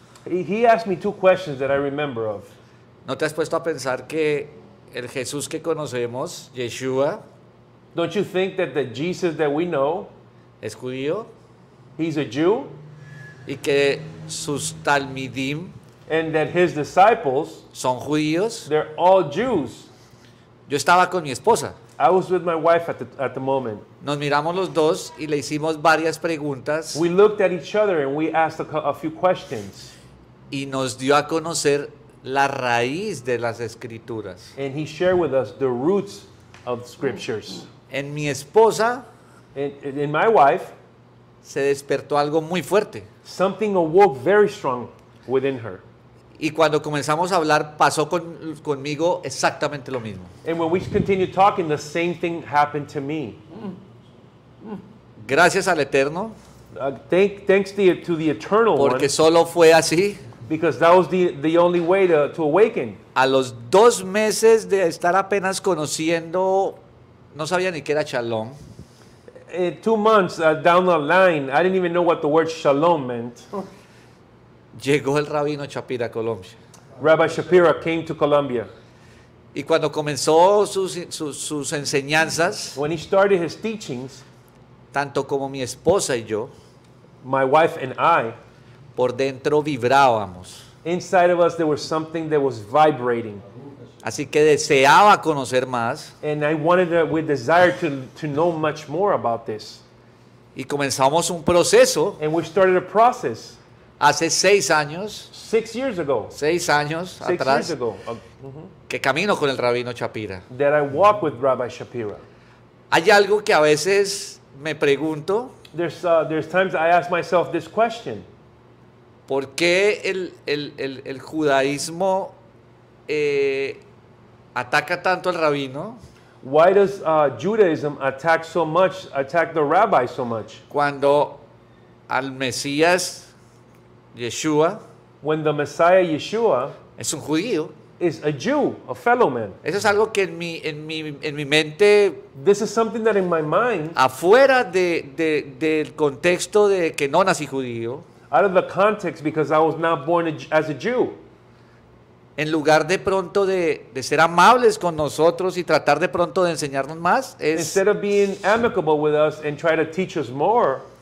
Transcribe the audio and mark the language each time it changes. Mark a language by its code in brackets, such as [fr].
[en] He asked me two questions that I remember of. [es] ¿No te has puesto a pensar que el Jesús que conocemos, Yeshua, [en] don't you think that the Jesus that we know, [es] es judío? [en] He's a Jew. [es] Y que sus talmidim, [en] and that his disciples, [es] son judíos. [en] They're all Jews. [es] Yo estaba con mi esposa. [en] I was with my wife at the moment. [es] Nos miramos los dos y le hicimos varias preguntas. [en] We looked at each other and we asked a few questions. [es] Y nos dio a conocer la raíz de las escrituras. [en] And he shared with us the roots of scriptures. [es] En mi esposa, [en] in my wife, [es] se despertó algo muy fuerte. [en] Something awoke very strong within her. [es] Y cuando comenzamos a hablar, pasó conmigo exactamente lo mismo. [en] And when we continued talking, the same thing happened to me. [es] Gracias al Eterno. [en] Thanks to the Eternal. [es] Porque [en] one, [es] solo fue así. [en] Because that was the only way to awaken. [es] A los dos meses de estar apenas conociendo, no sabía ni qué era Shalom. [en] Two months down the line, I didn't even know what the word Shalom meant. [es] Llegó el Rabino Shapira a Colombia. [en] Rabbi Shapira came to Colombia. [es] Y cuando comenzó sus enseñanzas, [en] when he started his teachings, [es] tanto como mi esposa y yo, [en] my wife and I, [es] por dentro vibrábamos. [en] Inside of us there was something that was vibrating. [es] Así que deseaba conocer más. [en] And I wanted to, with desire to know much more about this. [es] Y comenzamos un proceso. [en] And we started a process. [es] Hace 6 años. [en] 6 years ago. [es] 6 años [en] six [es] atrás. [en] Years ago. [es] Que camino con el Rabino Shapira. [en] That I walk with Rabbi Shapira. [es] Hay algo que a veces me pregunto. [en] There's times I ask myself this question. [es] ¿Por qué el judaísmo ataca tanto al rabino? [en] Why does Judaism attack the rabbi so much? [es] Cuando al Mesías Yeshua, [en] when the Messiah Yeshua [es] es un judío, [en] is a Jew, a fellow man. [es] Eso es algo que en mi mente, [en] this is something that in my mind, [es] afuera del contexto de que no nací judío, [en] out of the context because I was not born as a Jew. [es] En lugar de pronto de ser amables con nosotros y tratar de pronto de enseñarnos más, es, [en] instead of being amicable with us and try to teach us more,